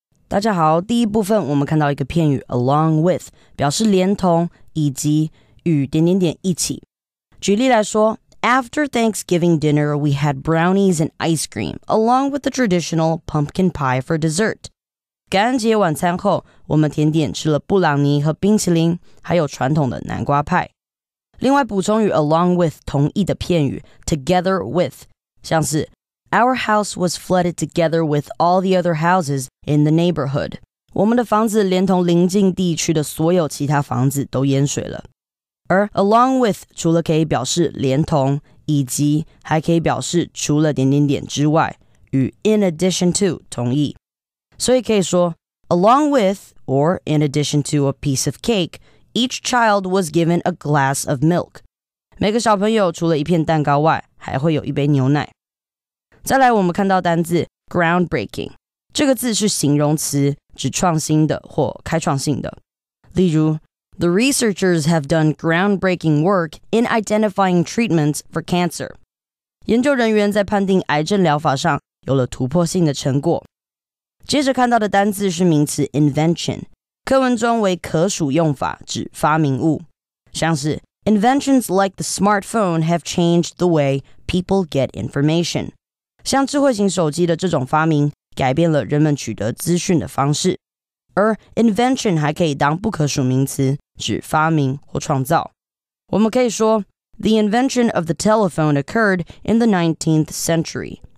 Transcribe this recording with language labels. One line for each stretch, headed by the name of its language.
Chinese: Along with 表示连同以及与点点点一起。举例来说
English: After Thanksgiving dinner, we had brownies and ice cream, along with the traditional pumpkin pie for dessert.
Chinese: 感恩节晚餐后，我们甜点吃了布朗尼和冰淇淋，还有传统的南瓜派。另外补充与 along with 同义的片语 together with, 像是
English: Our house was flooded together with all the other houses in the neighborhood.
Chinese: 我们的房子连同邻近地区的所有其他房子都淹水了。而 along with 除了可以表示连同以及还可以表示除了点点点之外与 in addition to 同义。所以可以说
English: along with or in addition to a piece of cake, each child was given a glass of milk.
Chinese: 每个小朋友除了一片蛋糕外还会有一杯牛奶。再来我们看到单字 groundbreaking, 这个字是形容词指创新的或开创性的。例如
English: The researchers have done groundbreaking work in identifying treatments for cancer.
Chinese: 研究人员在判定癌症疗法上有了突破性的成果。接着看到的单字是名词 invention, 课文中为可数用法指发明物。像是
English: inventions like the smartphone have changed the way people get information.
Chinese: 像智慧型手机的这种发明改变了人们取得资讯的方式。而 invention 还可以当不可数名词，指发明或创造。我们可以说
English: ，The invention of the telephone occurred in the 19th century.